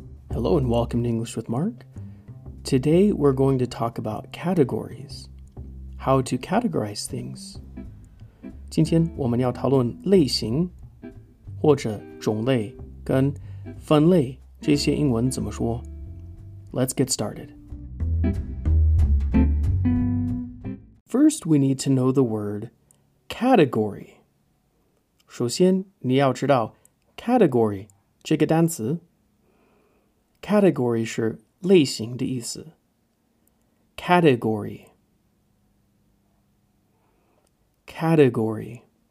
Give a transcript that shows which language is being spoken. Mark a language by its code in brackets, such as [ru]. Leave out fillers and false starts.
[en] Hello and welcome to English with Mark. Today we're going to talk about categories, how to categorize things. [zh] 今天我们要讨论类型或者种类跟分类这些英文怎么说。 [en] Let's get started. First, we need to know the word category. [zh] 首先你要知道 category 这个单词。 Category 是类型的意思。 [en] Category. Category.